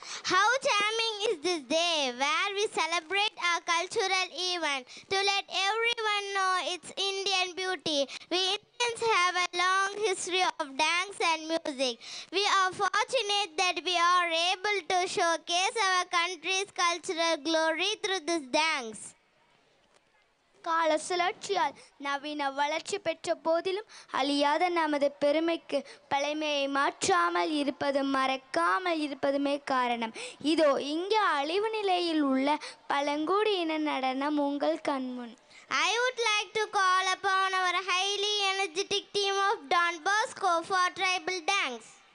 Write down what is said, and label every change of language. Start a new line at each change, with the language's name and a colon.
English: How charming is this day where we celebrate our cultural event to let everyone know its Indian beauty. We Indians have a long history of dance and music. We are fortunate that we are able to showcase our country's cultural glory through this dance.
Tamil: கால சுழற்சியால் நவீன வளர்ச்சி பெற்ற போதிலும் அழியாத நமது பெருமைக்கு பழமையை மாற்றாமல் இருப்பதும் மறக்காமல் இருப்பதுமே காரணம். இதோ இங்கே அழிவு நிலையில் உள்ள பழங்குடியின நடனம் உங்கள் கண்முன்.
English: I would like to call upon our highly energetic team of Don Bosco for tribal dance.